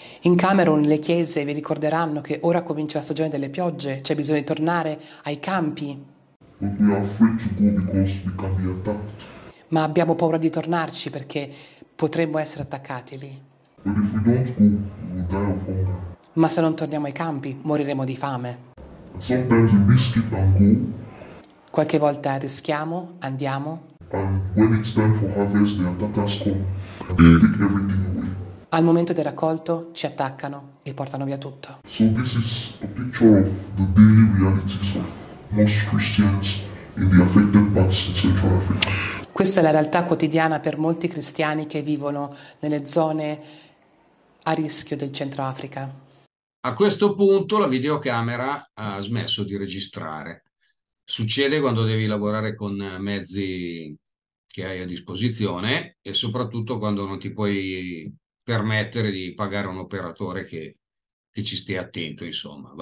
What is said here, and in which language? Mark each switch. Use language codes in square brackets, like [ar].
[it] In Camerun le chiese vi ricorderanno che ora comincia la stagione delle piogge, c'è bisogno di tornare ai campi. [en] But we are afraid to go because we can be attacked. [it] Ma abbiamo paura di tornarci perché potremmo essere attaccati lì. [en] But if we don't go, we will die of hunger. [it] Ma se non torniamo ai campi, moriremo di fame. [en] Sometimes we risk it and go. [it] Qualche volta rischiamo, andiamo. [en] And when it's time for harvest, the attackers come and they take everything away. [it] Al momento del raccolto ci attaccano e portano via tutto. [en] So this is a picture of the daily realities of most Christians in the affected parts in Central Africa. [it] Questa è la realtà quotidiana per molti cristiani che vivono nelle zone a rischio del Centro Africa. A questo punto la videocamera ha smesso di registrare. Succede quando devi lavorare con mezzi che hai a disposizione e soprattutto quando non ti puoi permettere di pagare un operatore che ci stia attento, insomma.